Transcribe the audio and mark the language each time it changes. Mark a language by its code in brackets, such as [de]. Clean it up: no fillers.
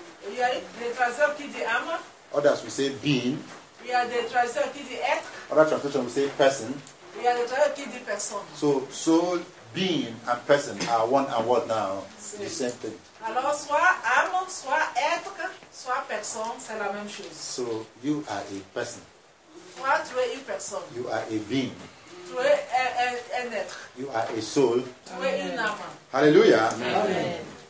[fr] Il y a des traducteurs qui disent âme. [en] Others will say being. [fr] Il y a des traducteurs qui disent être. [en] Other translations will say person. [fr] Il y a des traducteurs qui disent personne. [en] So soul, being, and person are one and one now. Si. The same thing. [fr] Alors soit âme, soit être, soit personne, c'est la même chose. [en] So you are a person. [fr] Toi, tu es une personne. [en] You are a being. [fr] Tu es un être. [en] You are a soul. [fr] Tu es une âme. [en] Hallelujah. Amen. Amen.